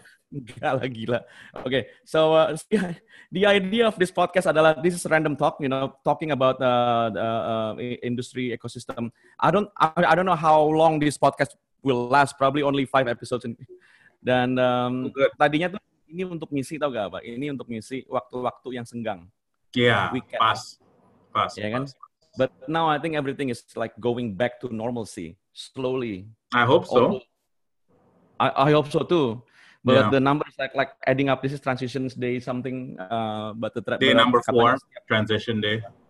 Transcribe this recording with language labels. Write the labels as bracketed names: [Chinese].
[Indonesian] Gila, gila. [English] Okay, so the idea of this podcast adalah, this is random talk, you know, talking about industry ecosystem. I don't know how long this podcast will last, probably only 5 episodes. [Indonesian] Dan tadinya tuh ini untuk ngisi, tau gak apa? Ini untuk ngisi waktu-waktu yang senggang. [English] Yeah, weekend. Pas. Yeah, kan? But now I think everything is like going back to normalcy, slowly. I hope so. I hope so too. But yeah. The numbers like adding up, this is transitions day something, but the day number 4, transition day.